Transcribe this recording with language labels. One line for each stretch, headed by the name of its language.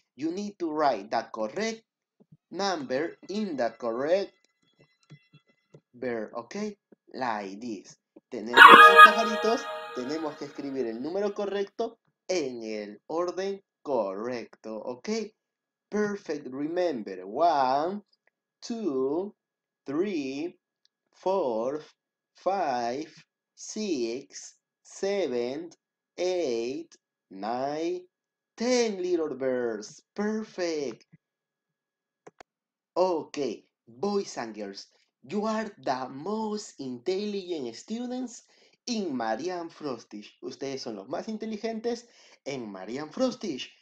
English: You need to write the correct number in the correct verb, okay? Like this.
Spanish: Tenemos los pajaritos, tenemos que escribir el número correcto en el orden correcto, okay?
English: Perfect, remember. 1, 2, 3, 4, 5, 6, 7, 8, 9, 10 little birds. Perfect. Okay, boys and girls, you are the most intelligent students in Marianne Frostish.
Spanish: Ustedes son los más inteligentes en Marianne Frostish.